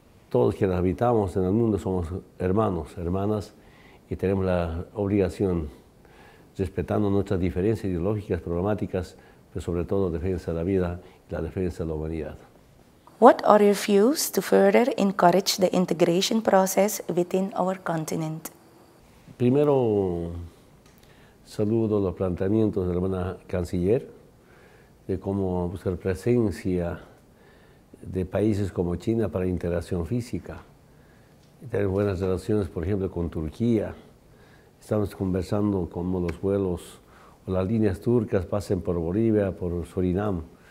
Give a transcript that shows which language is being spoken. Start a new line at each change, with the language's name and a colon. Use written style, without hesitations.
Spanish: Todos quienes habitamos en el mundo somos hermanos, hermanas, y tenemos la obligación, respetando nuestras diferencias ideológicas, problemáticas, pero sobre todo defensa de la vida y la defensa de la humanidad.
English: What are your views to further encourage the integration process within our continent?
Spanish: Primero, saludo los planteamientos de la hermana canciller, de cómo buscar presencia de países como China para integración física. Tener buenas relaciones, por ejemplo, con Turquía. Estamos conversando cómo los vuelos o las líneas turcas pasen por Bolivia, por Surinam.